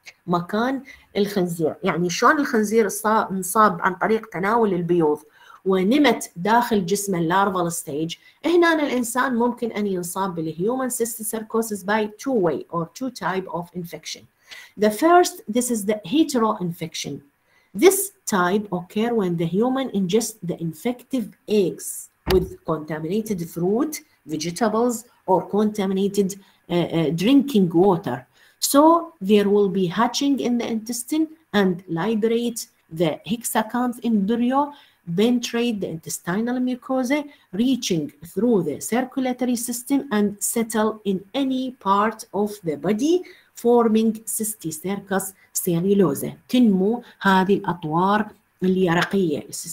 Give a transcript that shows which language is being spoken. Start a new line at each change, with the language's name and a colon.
Arabic: مكان الخنزير، يعني شلون الخنزير انصاب عن طريق تناول البيوض ونمت داخل جسم اللارفال ستيج، هنا الانسان ممكن ان ينصاب بالهيومن سيستسركوسس
English: By two way or two type of infection. The first, this is the hetero infection. This type occurs when the human ingests the infective eggs with contaminated fruit, vegetables, or contaminated drinking water. So there will be hatching in the intestine and liberate the hexacanth embryo, penetrate the intestinal mucosa, reaching through the circulatory system and settle in any part of the body, forming cysticercus cellulose.
Arabic: تنمو هذه الأطوار اليرقية.